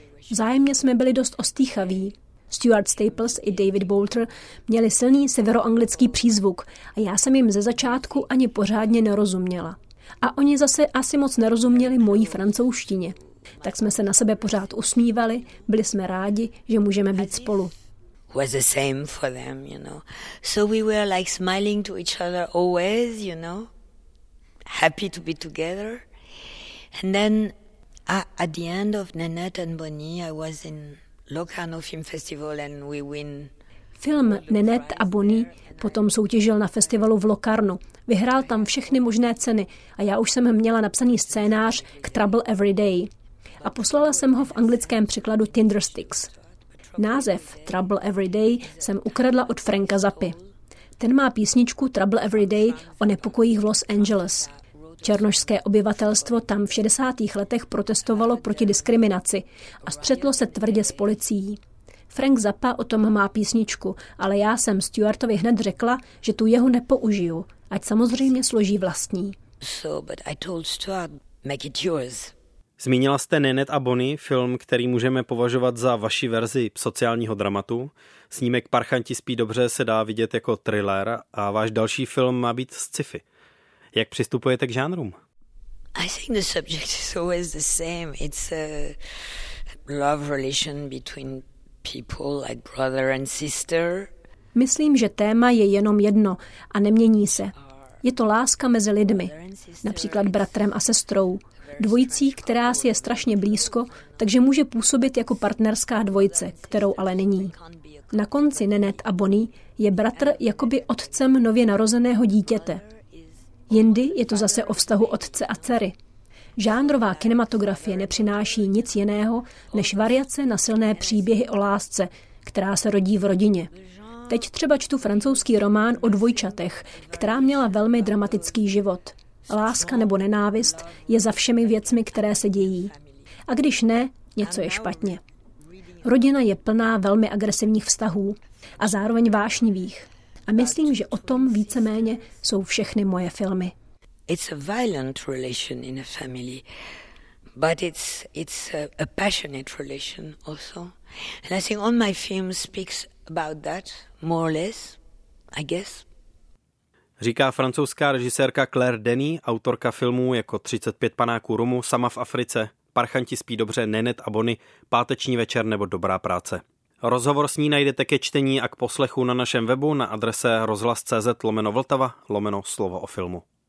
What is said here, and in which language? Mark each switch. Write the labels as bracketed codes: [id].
[cs] Vzájemně jsme byli dost ostýchaví. Stuart Staples i David Boulter měli silný severoanglický přízvuk a já jsem jim ze začátku ani pořádně nerozuměla. A oni zase asi moc nerozuměli mojí francouzštině. Tak jsme se na sebe pořád usmívali, byli jsme rádi, že můžeme být spolu. [en] Was the same for them, you know. So we were like smiling to each other always, you know. Happy to be together. And then at the end of Nanette and Bonnie, I was in Locarno Film Festival and we win. [cs] Film Nanette a Bonnie potom soutěžil na festivalu v Locarnu. Vyhrál tam všechny možné ceny a já už jsem měla napsaný scénář k Trouble Every Day. A poslala jsem ho v anglickém překladu Tindersticks. Název Trouble Every Day jsem ukradla od Franka Zappy. Ten má písničku Trouble Every Day o nepokojích v Los Angeles. Černošské obyvatelstvo tam v 60. letech protestovalo proti diskriminaci a střetlo se tvrdě s policií. Frank Zappa o tom má písničku, ale já jsem Stuartovi hned řekla, že tu jeho nepoužiju, ať samozřejmě složí vlastní. [en] So, but I told Stuart, make it yours. [cs] Zmínila jste Nanette a Bonnie, film, který můžeme považovat za vaši verzi sociálního dramatu. Snímek Parchanti spí dobře se dá vidět jako thriller a váš další film má být sci-fi. Jak přistupujete k žánrům? [en] I think the subject is always the same. It's a love relation between people like brother and sister. [cs] Myslím, že téma je jenom jedno a nemění se. Je to láska mezi lidmi, například bratrem a sestrou. Dvojicí, která si je strašně blízko, takže může působit jako partnerská dvojice, kterou ale není. Na konci Nanette a Bonnie je bratr jakoby otcem nově narozeného dítěte. Jindy je to zase o vztahu otce a dcery. Žánrová kinematografie nepřináší nic jiného, než variace na silné příběhy o lásce, která se rodí v rodině. Teď třeba čtu francouzský román o dvojčatech, která měla velmi dramatický život. Láska nebo nenávist je za všemi věcmi, které se dějí. A když ne, něco je špatně. Rodina je plná velmi agresivních vztahů a zároveň vášnivých. A myslím, že o tom víceméně jsou všechny moje filmy. [en] It's a violent relation in a family, but it's a passionate relation also. And I think all my films speaks about that more or less, I guess. [cs] Říká francouzská režisérka Claire Denis, autorka filmů jako 35 panáků Rumu, Sama v Africe, Parchanti spí dobře, Nanette a Bonnie, Páteční večer nebo Dobrá práce. Rozhovor s ní najdete ke čtení a k poslechu na našem webu na adrese rozhlas.cz/vltava/slovo o filmu.